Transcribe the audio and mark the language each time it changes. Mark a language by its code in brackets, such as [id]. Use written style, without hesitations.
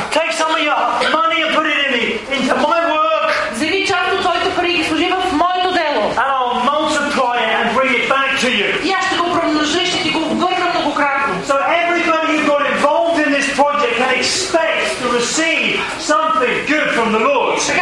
[en] Take some of your money and put it into my work. [bg] Вземи част от твоите пари и служи в моето дело. [en] And I'll multiply it and bring it back to you. [bg] И аз ще го промножа, ще ти го върна многократно. [en] So everybody who got involved in this project can expect to receive something good from the Lord.